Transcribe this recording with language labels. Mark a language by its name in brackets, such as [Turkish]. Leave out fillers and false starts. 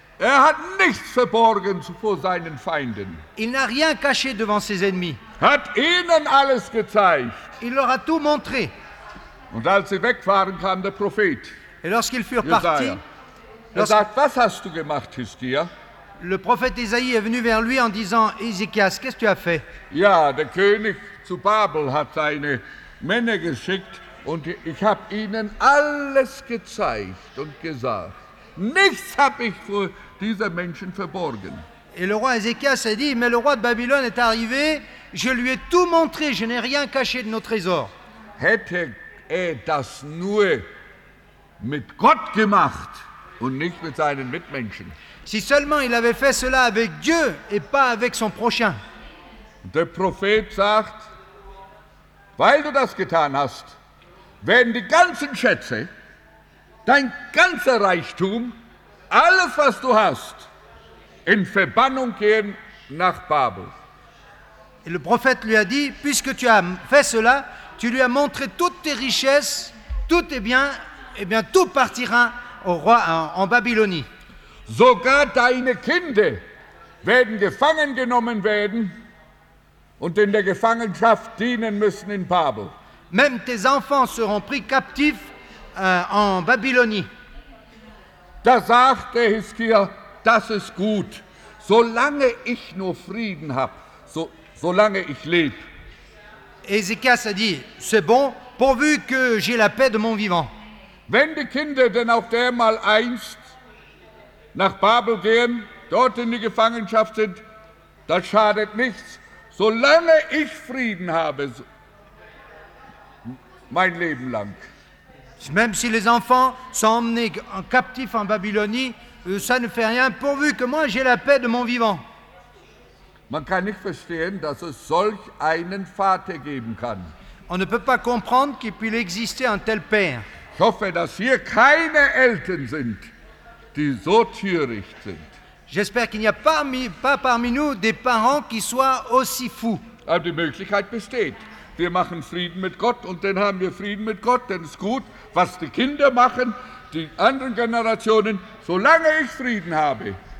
[German] Er hat nichts verborgen vor seinen Feinden. [French] Il n'a rien caché devant ses ennemis. [German] Hat ihnen alles gezeigt. [French] Il leur a tout montré. [German] Und als sie wegfahren, kam der Prophet. [French] Et lorsqu'ils furent partis, [German] was hast du gemacht, Hiskia? [French] Le prophète Isaïe est venu vers lui en disant, Ézéchias, qu'est-ce que tu as fait? [German] Ja, der König zu Babel hat seine Männer geschickt und ich habe ihnen alles gezeigt und gesagt. Nichts habe ich vor diesen Menschen verborgen. [French] Et le roi Ézéchias a dit, mais le roi de Babylone est arrivé, je lui ai tout montré, je n'ai rien caché de nos trésors. [German] Hätte das nur mit Gott gemacht und nicht mit seinen Mitmenschen. [French] Si seulement il avait fait cela avec Dieu et pas avec son prochain. [German] Der Prophet sagt, weil du das getan hast, werden die ganzen Schätze, dein ganzer Reichtum, alles was du hast, in Verbannung gehen nach Babel. [French] Et le prophète lui a dit, puisque tu as fait cela, tu lui as montré toutes tes richesses, tous tes biens, et bien tout partira au roi en Babylonie. [German] Sogar deine Kinder werden gefangen genommen werden und in der Gefangenschaft dienen müssen in Babel. [French] Même tes enfants seront pris captifs en Babylonie. [German] Da sagt der Hiskia, das ist gut. Solange ich nur Frieden habe, solange ich lebe. [French] Ézéchias a dit, c'est bon, pourvu que j'ai la paix de mon vivant. [German] Wenn die Kinder denn auch dermal einst nach Babel gehen, dort in die Gefangenschaft sind, das schadet nichts. Solange ich Frieden habe, mein Leben lang. [French] Même si les enfants sont emmenés en captif en Babylonie, ça ne fait rien, pourvu que moi j'ai la paix de mon vivant. [German] Man kann nicht verstehen, dass es solch einen Vater geben kann. [French] On ne peut pas comprendre qu'il puisse exister un tel père. [German] Ich hoffe, dass hier keine Eltern sind, die so töricht sind. [French] J'espère qu'il n'y a pas parmi nous des parents qui soient aussi fous. [German] Aber die Möglichkeit besteht. Wir machen Frieden mit Gott und dann haben wir Frieden mit Gott, denn es ist gut, was die Kinder machen, die anderen Generationen, solange ich Frieden habe.